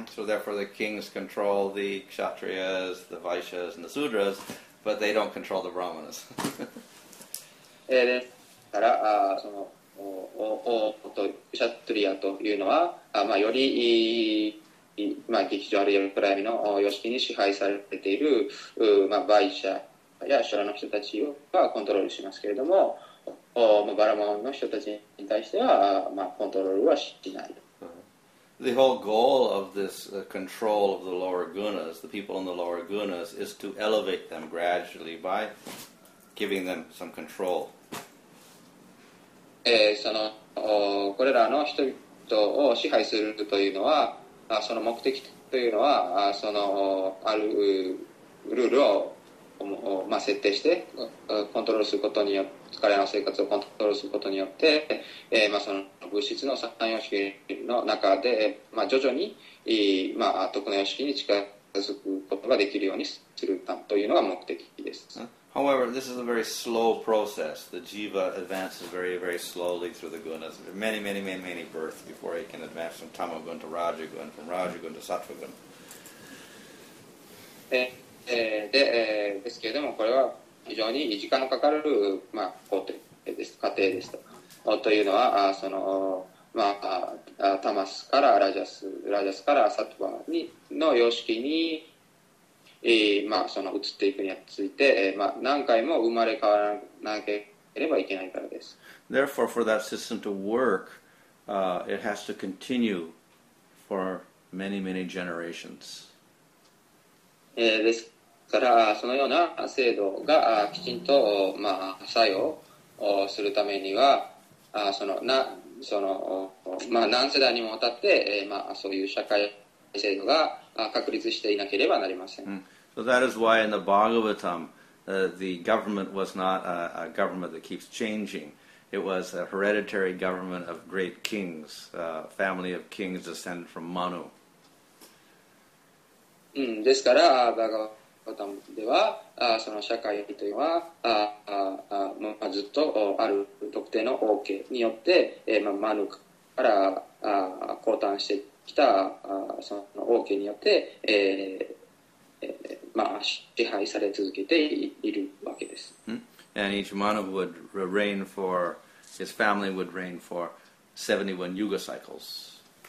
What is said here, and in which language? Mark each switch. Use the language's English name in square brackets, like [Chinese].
[English] So therefore the kings control the kshatriyas, the vaishyas, and the sudras, but they don't control the brahmanas. [Japanese] ですから、その、kshatriya というのは、まあ、より、まあ、劇場あるいは暗闇の様式に支配されている、まあ、vaishya や修羅の人たちをはコントロールしますけれども、まあ、バラモンの人たちに対しては、まあ、コントロールはしない。 [English] The whole goal of this control of the lower gunas, the people in the lower gunas, is to elevate them gradually by giving them some control. [Japanese] その、これらの人々を支配するというのは、その目的というのは、その、あるルールを、まあ、設定して、コントロールすることによって彼らの生活をコントロールすることによって、まあ、その物質の三様式の中で、まあ、徐々に、まあ、徳の様式に近づくことができるようにするというのが目的です。 [English] However, this is a very slow process. The jiva advances very, very slowly through the gunas. Many, many, many, many births before he can advance from tamogun to rajagun, from rajagun to sattvagun. [Japanese] ですけれども、これは非常に時間のかかる、まあ、工程です、過程ですと。というのは、その、まあ、タマスからラジャス、ラジャスからサトバにの様式に、まあ、その移っていくについて、まあ、何回も生まれ変わらなければいけないからです。 [English] Therefore, for that system to work, it has to continue for many, many generations. [Japanese] ですからそのような制度がきちんと、まあ、作用をするためにはその、まあ、何世代にもわたって、まあ、そういう社会制度が確立していなければなりません。 [English] So that is why in the Bhagavatam, the government was not a government that keeps changing. It was a hereditary government of great kings, a family of kings descended from Manu. [Japanese] ですから、バガバタムでは、その社会というのは、ずっとある特定の王家によって、マヌから降誕してきたその王家によって、支配され続けているわけです。 [English] And each manu would reign for, his family would reign for 71 yuga cycles.